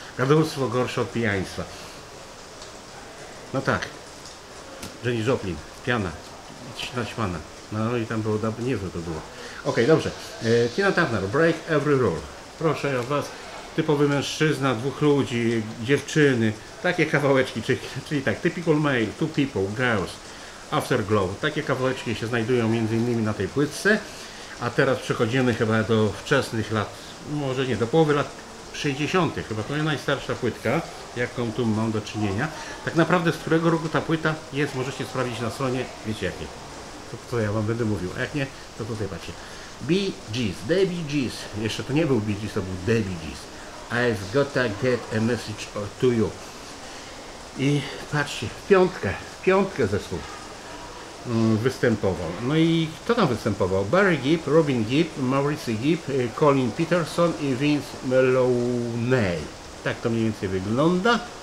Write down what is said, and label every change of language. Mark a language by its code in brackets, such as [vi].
[pl] Gadulstwo gorsze od pijaństwa. No tak. Jenny Joplin, piana. Naćmana. No i tam było, niezłe to było. Okej, dobrze. Tina Turner, Break Every Rule. Proszę o was. Typowy mężczyzna, dwóch ludzi, dziewczyny. Takie kawałeczki, czyli tak. [en] Typical male, two people, girls. Afterglow. [pl] Takie kawałeczki się znajdują m.in. na tej płytce. A teraz przechodzimy chyba do wczesnych lat, może nie, do połowy lat 60. Chyba to jest najstarsza płytka, jaką tu mam do czynienia. Tak naprawdę z którego roku ta płyta jest, możecie sprawdzić na stronie, wiecie jakie. To ja wam będę mówił, a jak nie, to tutaj patrzcie. Bee Gees, The Bee Gees. Jeszcze to nie był Bee Gees, to był The Bee Gees. [en] I've gotta get a message to you. [pl] I patrzcie, piątkę zespół występował. No i kto tam występował? Barry Gibb, Robin Gibb, Maurice Gibb, Colin Peterson i Vince Meloney. Tak to mniej więcej wygląda.